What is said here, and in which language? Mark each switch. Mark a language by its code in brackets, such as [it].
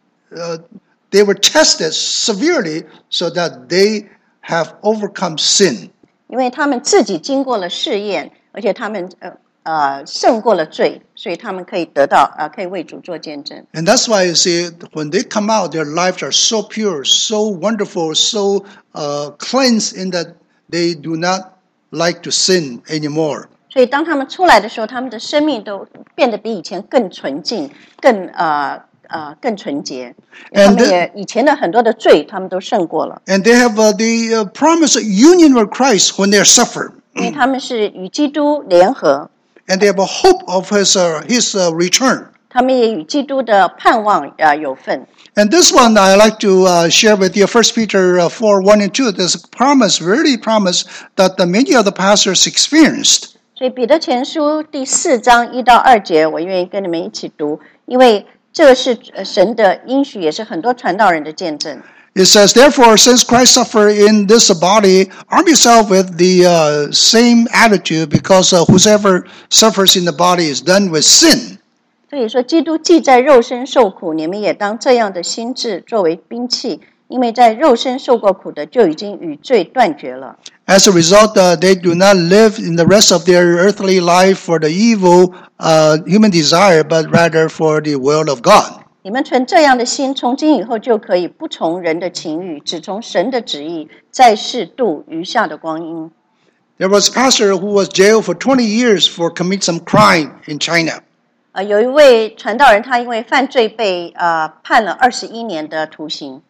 [en] they were tested severely so that they have overcome sin. [zh] 因为他们自己经过了试验，而且他们胜过了罪，所以他们可以得到可以为主做见证。 [en] And that's why you see when they come out, their lives are so pure, so wonderful, so cleansed in that they do not like to sin anymore. [zh] 所以当他们出来的时候，他们的生命都变得比以前更纯净，更更纯洁。他们也以前的很多的罪，他们都胜过了。 [en] And they have the promise of union with Christ when they suffer. [zh] 因为他们是与基督联合。 [en] And they have a hope of his return. [zh] 他们也与基督的盼望有份。 [en] And this one I like to share with you, 1 Peter 4, 1 and 2, this promise, really promise that the many of the pastors experienced. [zh] 所以彼得前书第四章一到二节，我愿意跟你们一起读，因为这是神的应许，也是很多传道人的见证。 [en] It says, therefore, since Christ suffered in this body, arm yourself with the same attitude, because whosoever suffers in the body is done with sin. [zh] 所以说，基督既在肉身受苦，你们也当这样的心智作为兵器，因为在肉身受过苦的，就已经与罪断绝了。 [en] As a result, they do not live in the rest of their earthly life for the evil human desire, but rather for the will of God. [zh] 你们存这样的心，从今以后就可以不从人的情欲，只从神的旨意，在世度余下的光阴。 [en] There was a pastor who was jailed for 20 years for committing some crime in China. [zh] 有一位传道人，他因为犯罪被判了21年的徒刑。